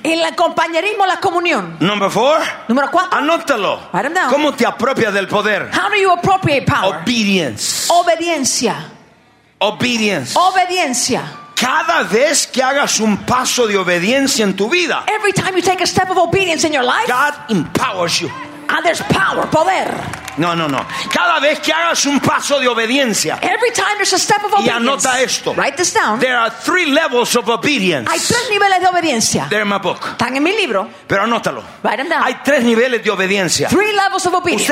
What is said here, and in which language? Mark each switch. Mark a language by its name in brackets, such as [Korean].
[Spanish] El compañerismo, la comunión. [English] Number four. [Spanish] Número cuatro. Anótalo. [English] Write them down. [Spanish] ¿Cómo te apropias del poder? [English] How do you appropriate power? Obedience. [Spanish] Obediencia. [English] Obedience. [Spanish] Obediencia. Cada vez que hagas un paso de obediencia en tu vida, [English] every time you take a step of obedience in your life, God empowers you. And there's power, poder. [Spanish] No, no, no. Cada vez que hagas un paso de obediencia, [English] every time there's a step of obedience, [Spanish] y anota esto, [English] write this down. There are three levels of obedience. [Spanish] Hay tres niveles de obediencia. [English] They're in my book. [Spanish] Están en mi libro. Pero anótalo. [English] Write them down. [Spanish] Hay tres niveles de obediencia. [English] Three levels of obedience.